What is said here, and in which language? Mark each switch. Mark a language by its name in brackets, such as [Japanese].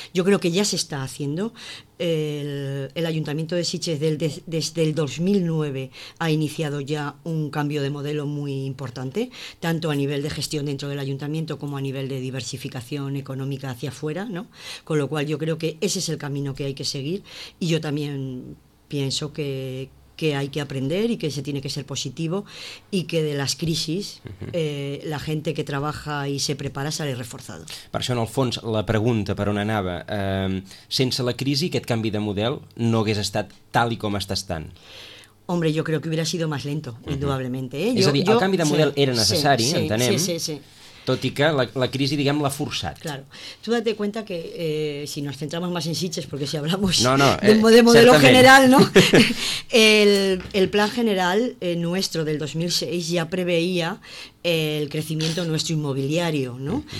[Spanish] Yo creo que ya se está haciendo. El Ayuntamiento de Sitges desde el 2009 ha iniciado ya un cambio de modelo muy importante, tanto a nivel de gestión dentro del ayuntamiento como a nivel de diversificación económica hacia afuera, ¿no? Con lo cual yo creo que ese es el camino que hay que seguir, y yo también pienso que hay que aprender y que se tiene que ser positivo, y que de las crisis la gente que trabaja y se prepara sale reforzado. [Catalan] Per això, en el fons, la pregunta per on anava, sense la crisi aquest canvi de model no hagués estat tal i com està estant. [Spanish] Hombre, yo creo que hubiera sido más lento, indudablemente. ¿Eh? [Catalan] El canvi de model era necessari, entenem. Sí. Tot i que la crisi, diguem, l'ha forçat. [Spanish] Claro. Tú date cuenta que si nos centramos más en Sitges, porque si hablamos de modelo general, ¿no? el plan general nuestro del 2006 ya preveía el crecimiento nuestro inmobiliario, ¿no?